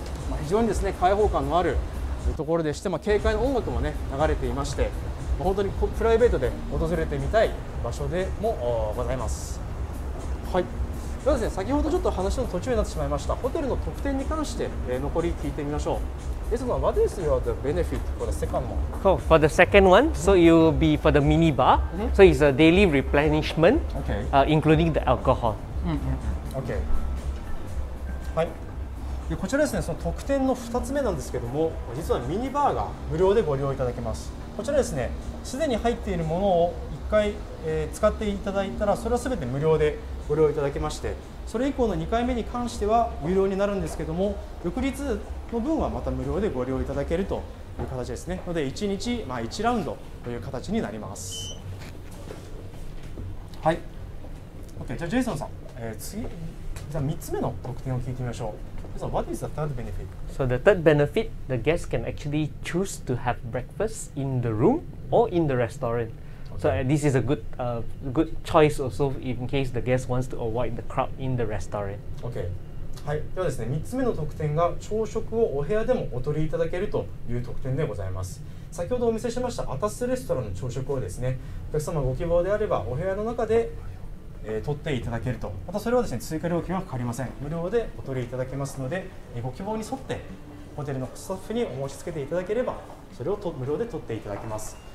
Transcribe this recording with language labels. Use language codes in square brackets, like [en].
[ja] まあ、非常にですね、開放感のあるところでして、まあ、軽快な音楽もね、流れていまして、まあ、本当にプライベートで訪れてみたい場所でもございます。はい、ではですね、先ほどちょっと話の途中になってしまいました、ホテルの特典に関して、残り聞いてみましょう。 [en] This one, what is your the benefit for the second one? Oh, for the second one, so it will be for the mini bar. Mm-hmm. So it's a daily replenishment, okay. Including the alcohol. Mm-hmm. Okay. はい。 [ja] で、こちらですね、その特典の2つ目なんですけども、実はミニバーが無料でご利用いただけます。こちらですね、すでに入っているものを1回、使っていただいたら、それはすべて無料でご利用いただけまして、それ以降の2回目に関しては有料になるんですけども、翌日の分はまた無料でご利用いただけるという形ですね。ので1日、まあ、1ラウンドという形になります。はい。OK、じゃあジェイソンさん、次、じゃあ3つ目の特典を聞いてみましょう。 [en] So what is the third benefit? So the third benefit, the guests can actually choose to have breakfast in the room or in the restaurant. So this is a good, good choice also in case the guest wants to avoid the crowd in the restaurant. Okay. [ja] はい、ではですね、3つ目の特典が朝食をお部屋でもお取りいただけるという特典でございます。先ほどお見せしましたアタスレストランの朝食をですね、お客様ご希望であればお部屋の中で、取っていただけると。またそれはですね、追加料金はかかりません。無料でお取りいただけますので、ご希望に沿ってホテルのスタッフにお申し付けていただければそれを無料で取っていただけます。